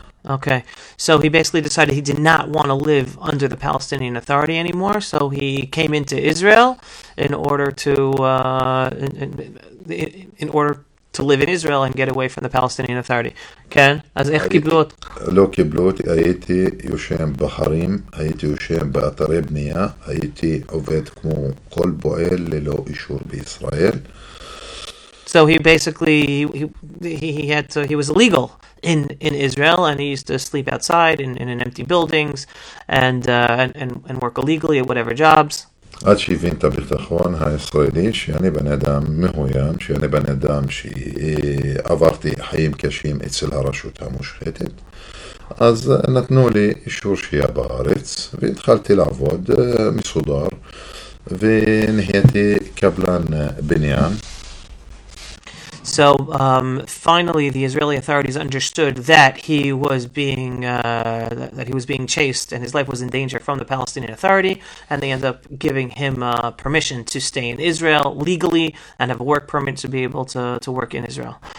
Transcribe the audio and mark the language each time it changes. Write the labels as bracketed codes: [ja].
[en] Okay, so he basically decided he did not want to live under the Palestinian Authority anymore, so he came into Israel in order to live in Israel and get away from the Palestinian Authority. [he] כן? אז איך קיבלו אותך? לא קיבלו אותי, הייתי יושב בחרים, הייתי יושב באתרי בנייה, הייתי עובד כמו כל בועל ללא אישור בישראל. [en] So he basically, he was illegal in Israel, and he used to sleep outside in empty buildings and work illegally at whatever jobs. [he] עד שהבין את הביטחון הישראלי שאני בן אדם מהוים, שאני בן אדם שעברתי חיים קשים אצל הרשות המושחתת, אז נתנו לי אישור שהיה בארץ, והתחלתי לעבוד מסודר, ונהייתי קבלן בניין. [en] So finally the Israeli authorities understood that he was being chased and his life was in danger from the Palestinian Authority, and they ended up giving him permission to stay in Israel legally and have a work permit to be able to work in Israel.